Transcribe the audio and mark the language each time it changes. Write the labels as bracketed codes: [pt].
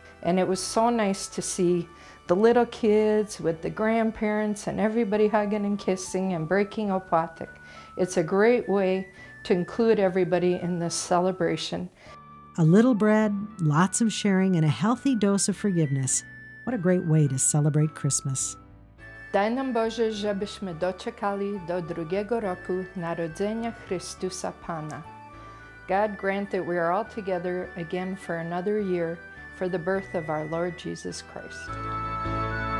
[en] And it was so nice to see the little kids with the grandparents and everybody hugging and kissing and breaking opłatek. It's a great way to include everybody in this celebration. A little bread, lots of sharing, and a healthy dose of forgiveness. What a great way to celebrate Christmas. [pl] Daj nam Boże, żebyśmy doczekali do drugiego roku narodzenia Chrystusa Pana. [en] God grant that we are all together again for another year for the birth of our Lord Jesus Christ.